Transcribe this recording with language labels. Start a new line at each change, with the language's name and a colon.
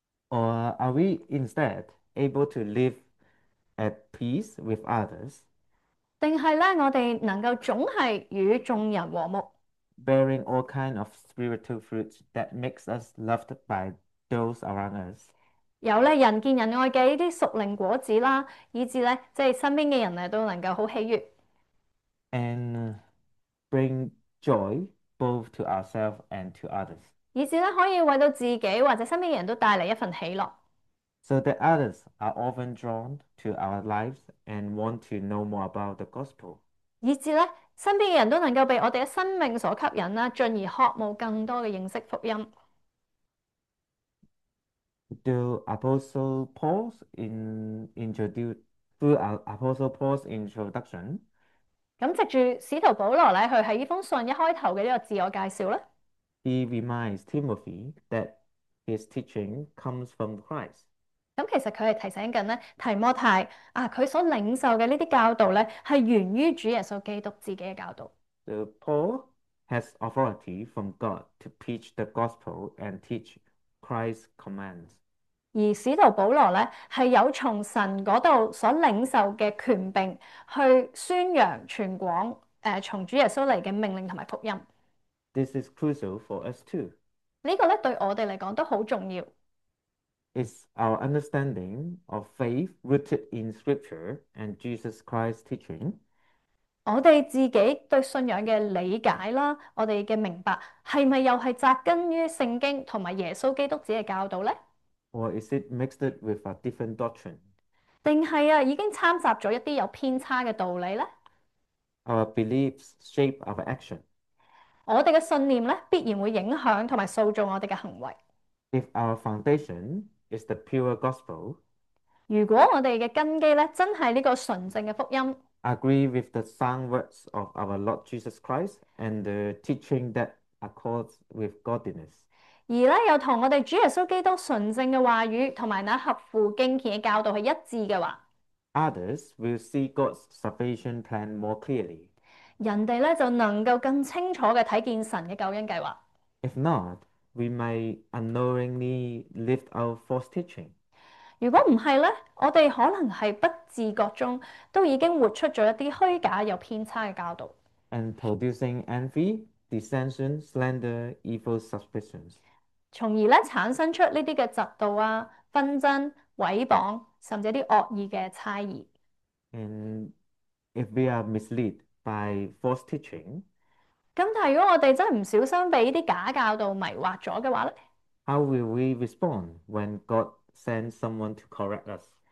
English: Or are we instead able to live at peace with others,
Cantonese: 定系咧，我哋能够总系与众人和睦。
English: bearing all kind of spiritual fruits that makes us loved by those around us?
Cantonese: 有咧人见人爱嘅呢啲属灵果子啦，以至咧即系身边嘅人咧都能够好喜悦。
English: And bring joy both to ourselves and to others.
Cantonese: 以至咧可以为到自己或者身边嘅人都带嚟一份喜乐。
English: So that others are often drawn to our lives and want to know more about the gospel.
Cantonese: 以致咧，身边嘅人都能够被我哋嘅生命所吸引啦，进而渴慕更多嘅认识福音。
English: Do Apostle Paul's in introduce through Apostle Paul's introduction.
Cantonese: 咁藉住使徒保罗咧，佢喺呢封信一开头嘅呢个自我介绍咧。
English: He reminds Timothy that his teaching comes from Christ.
Cantonese: 咁其实佢系提醒紧咧提摩太啊，佢所领受嘅呢啲教导咧，系源于主耶稣基督自己嘅教导。
English: So Paul has authority from God to preach the gospel and teach Christ's commands.
Cantonese: 而使徒保罗咧系有从神嗰度所领受嘅权柄去宣扬传广从主耶稣嚟嘅命令同埋福音。
English: This is crucial for us too.
Cantonese: 呢个咧对我哋嚟讲都好重要。
English: It's our understanding of faith rooted in Scripture and Jesus Christ's teaching.
Cantonese: 我哋自己对信仰嘅理解啦，我哋嘅明白系咪又系扎根于圣经同埋耶稣基督子嘅教导咧？
English: Or is it mixed with a different doctrine?
Cantonese: 定系啊，已经掺杂咗一啲有偏差嘅道理咧？
English: Our beliefs shape our action.
Cantonese: 我哋嘅信念咧，必然会影响同埋塑造我哋嘅行为。
English: If our foundation is the pure gospel,
Cantonese: 如果我哋嘅根基咧，真系呢个纯正嘅福音。
English: agree with the sound words of our Lord Jesus Christ and the teaching that accords with godliness.
Cantonese: 而咧，又同我哋主耶稣基督纯正嘅话语，同埋那合乎敬虔嘅教导系一致嘅话，
English: Others will see God's salvation plan more clearly.
Cantonese: 人哋咧就能够更清楚嘅睇见神嘅救恩计划。
English: If not, we may unknowingly lift our false teaching.
Cantonese: 如果唔系咧，我哋可能系不自觉中都已经活出咗一啲虚假又偏差嘅教导。
English: And producing envy, dissension, slander, evil suspicions.
Cantonese: 从而咧产生出呢啲嘅嫉妒啊、纷争、毁谤，甚至啲恶意嘅猜疑。
English: And if we are misled by false teaching,
Cantonese: 咁但系如果我哋真系唔小心俾啲假教导迷惑咗嘅话咧，
English: how will we respond when God sends someone to correct us?